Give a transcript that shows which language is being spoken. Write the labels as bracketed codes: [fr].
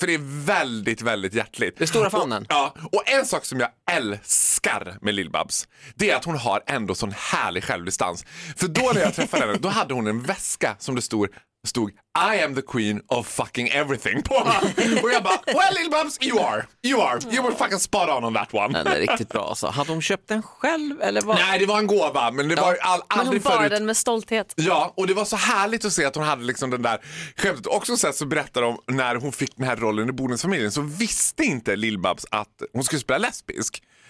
[sv] För det är väldigt, väldigt hjärtligt. Det stora fanen. Och, ja, och en sak som jag älskar med Lillbabs, det är att hon har ändå sån härlig självdistans. För då när jag träffade henne, då hade hon en väska som det stod [en] I am the queen of fucking everything [sv] på. Och jag bara, [en] well Lillbabs, you are. You were fucking spot on that one. [sv] Den är riktigt bra alltså. Hade hon köpt den själv eller var... Nej, det var en gåva, men det var aldrig förut. Men hon bar den med stolthet. Ja, och det var så härligt att se att hon hade liksom den där skämtet. Också sett så berättade de när hon fick den här rollen i Bodens familjen, så visste inte Lillbabs att hon skulle spela lesbisk.